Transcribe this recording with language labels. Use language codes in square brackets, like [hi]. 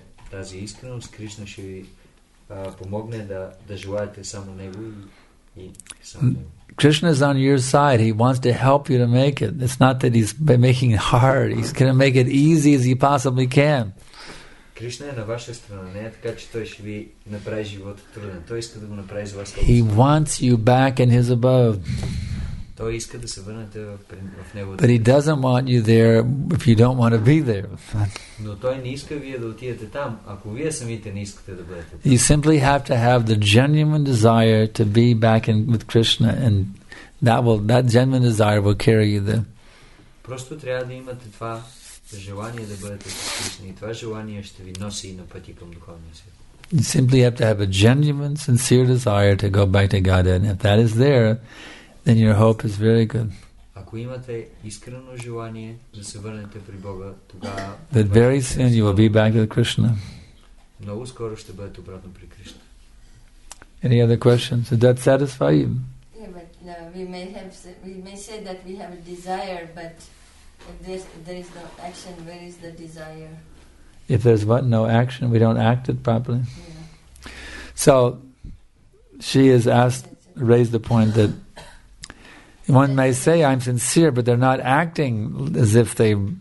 [bg] Тази искреност, Кришна ще ви помогне да желаете само Него и само Него. [en] Krishna is on your side. He wants to help you to make it. It's not that he's making it hard. He's going to make it easy as he possibly can. [bg] Кришна е на ваша страна. Не е така, че той ще ви направи живота труден. Той иска да го направи за вас. [en] He wants you back in his abode. [bg] Той иска да се върнете в него. [en] But he doesn't want you there if you don't want to be there. [bg] Но той не иска вие да отидете там, ако вие самите не искате да бъдете там. [en] You simply have to have the genuine desire to be back in with Krishna, and that genuine desire will carry you there. [bg] Просто трябва да имате това желание да бъдете с Кришна, и това желание ще ви носи на пъти към духовния свят. [en] You simply have to have a genuine, sincere desire to go back to Godhead, and if that is there, then your hope is very good. [bg] Ако имате искрено желание да се върнете при Бога, тогава [en] that very soon you will be back with Krishna. [bg] Много скоро ще бъдете обратно при Кришна. [en] Any other questions? Did that satisfy you? Yeah, but no, we may say that we have a desire, but if there is no action, where is the desire? If there's what? No action, we don't act it properly. Yeah. So she has raised the point that one may say, I'm sincere, but they're not acting as if they...